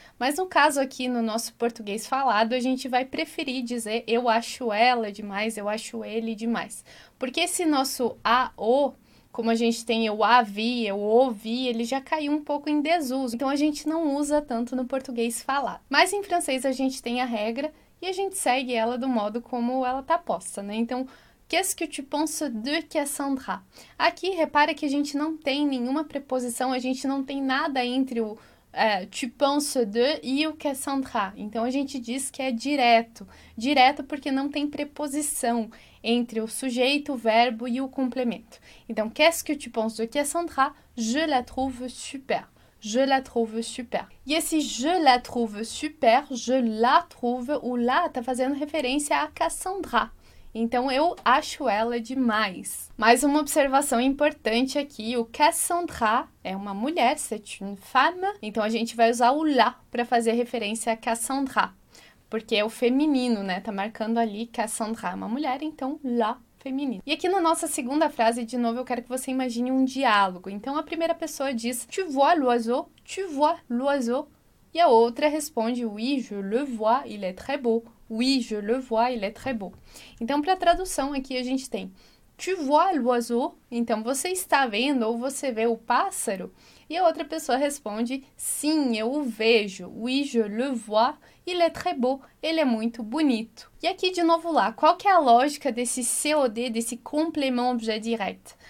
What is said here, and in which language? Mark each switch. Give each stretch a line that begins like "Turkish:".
Portuguese: Mas no caso aqui no nosso português falado, a gente vai preferir dizer eu acho ela demais, eu acho ele demais. Porque esse nosso a o, como a gente tem eu a vi, eu ouvi, ele já caiu um pouco em desuso. Então a gente não usa tanto no português falado. Mas em francês a gente tem a regra. E a gente segue ela do modo como ela tá posta, né?
French: Então, qu'est-ce que tu penses de Cassandra?
Portuguese: Aqui, repara que a gente não tem nenhuma preposição, a gente não tem nada entre o
French: tu penses de
Portuguese: e o Cassandra. Então, a gente diz que é direto. Direto porque não tem preposição entre o sujeito, o verbo e o complemento.
French: Então, qu'est-ce que tu penses de Cassandra? Je la trouve super. Je la trouve super.
Portuguese: E esse
French: je la trouve super, je la trouve,
Portuguese: o la tá fazendo referência a Cassandra. Então eu acho ela demais. Mais uma observação importante aqui, o Cassandra é uma mulher,
French: c'est une femme.
Portuguese: Então a gente vai usar o la para fazer referência a Cassandra. Porque é o feminino, né? Tá marcando ali Cassandra é uma mulher, então la feminino. E aqui na nossa segunda frase, de novo, eu quero que você imagine um diálogo. Então, a primeira pessoa diz,
French: tu vois l'oiseau? Tu vois l'oiseau?
Portuguese: E a outra responde,
French: oui, je le vois, il est très beau. Oui, je le vois, il est très beau.
Portuguese: Então, para a tradução aqui, a gente tem,
French: tu vois l'oiseau?
Portuguese: Então, você está vendo ou você vê o pássaro? E a outra pessoa responde, sim, eu o vejo.
French: Oui, je le vois. Il est très beau,
Portuguese: ele é muito bonito. E aqui de novo lá, qual que é a lógica desse COD, desse complément objet direct?